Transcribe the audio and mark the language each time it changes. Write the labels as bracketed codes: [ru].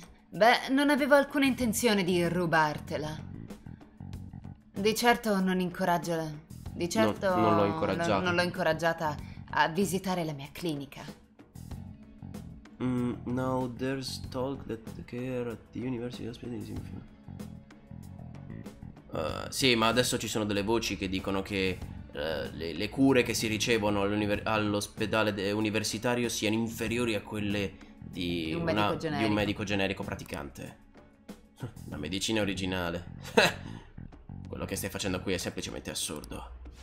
[it] Beh, non avevo alcuna intenzione di rubartela. Di certo non l'ho incoraggiata a visitare la mia clinica. [en] Now there's talk that the care at the University Hospital is in fine. [it] Sì, ma adesso ci sono delle voci che dicono che le cure che si ricevono all'ospedale universitario siano inferiori a quelle di un medico generico praticante. La medicina originale. Quello che stai facendo qui è semplicemente assurdo.